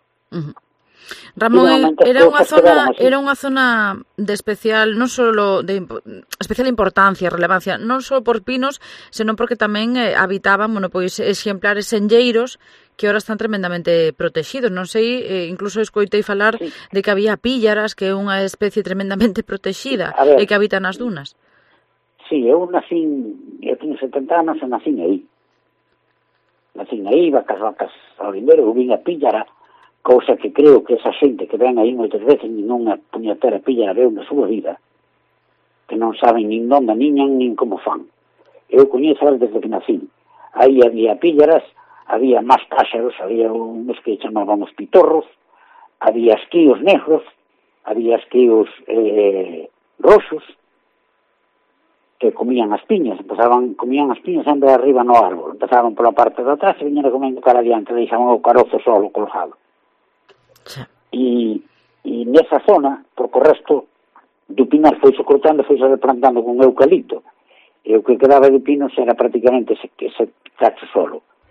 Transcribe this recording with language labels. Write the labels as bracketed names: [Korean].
[Spanish] Uh-huh. Ramón, era una zona de especial, no solo de especial importancia, relevancia, no solo por pinos, sino porque también habitaban, bueno, pues ejemplares senlleiros que ahora están tremendamente protegidos. No sé, incluso [Galician] escoitei falar [Spanish] sí. [Galician] de que había píllaras, que é unha especie tremendamente protegida e que habitan nas dunas. Sí, eu tenho 70 anos e nací aí, vacas ao lindero, eu vim a píllara. Cosa que creo que esa xente que ven aí moitas veces nin unha puñetera píllara veu na súa vida, que non saben nin onde niñan nin como fan. Eu coñezas desde que nací. Aí había píllaras, había más páxaros, había uns que chamábamos pitorros, había esquíos negros, había esquíos rosos, que comían as piñas, comían as piñas sempre arriba no árbol, empezaban pola parte de atrás e viñeron comendo cara adiante, deixaban o carozo solo colgado. E nesa zona, porque o resto do pinar foi-se cortando, foi-se replantando con eucalipto. E o que quedaba de pinos era prácticamente ese cacho solo.